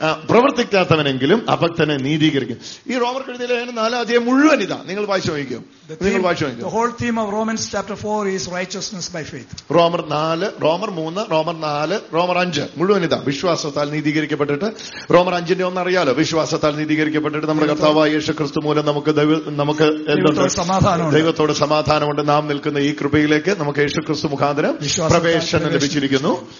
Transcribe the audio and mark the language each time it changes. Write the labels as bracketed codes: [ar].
[ml] പ്രവർത്തിക്കാത്തവനെങ്കിലും അഭക്തനെ നീതീകരിക്കും. ഈ റോമർ കെഴുതിയിലെ ലേഖനം 4 മുഴുവൻ ഇതാ, നിങ്ങൾ വായിച്ചു നോക്കിയോ, നിങ്ങൾ വായിച്ചു നോക്കിയോ. [en] The whole theme of Romans chapter 4 is righteousness by faith. [ml] റോമർ 5 മുഴുവൻ ഇതാ, വിശ്വാസത്താൽ നീതീകരിക്കപ്പെട്ടിട്ട്. റോമർ 5 ഒന്നറിയാലോ, വിശ്വാസത്താൽ നീതീകരിക്കപ്പെട്ടിട്ട്. നമ്മുടെ കർത്താവായ യേശു ക്രിസ്തു മൂലം നമുക്ക് നമുക്ക് ദൈവത്തോട് സമാധാനമുണ്ട്. നാം നിൽക്കുന്ന ഈ കൃപയിലേക്ക് നമുക്ക് യേശു ക്രിസ്തു മുഖാന്തരം പ്രവേശനം ലഭിച്ചിരിക്കുന്നു.